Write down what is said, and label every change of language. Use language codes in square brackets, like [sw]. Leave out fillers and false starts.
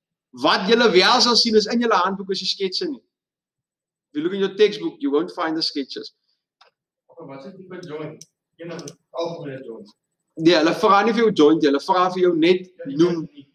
[af] Wat jy wel sal sien is in jou handboek is die sketse nie. [en] If you look in your textbook, you won't find the sketches. [af] Wat is die tipe joint? Enige algemene joint. Nee, hulle vra nie vir jou joint, hulle vra vir jou net noem.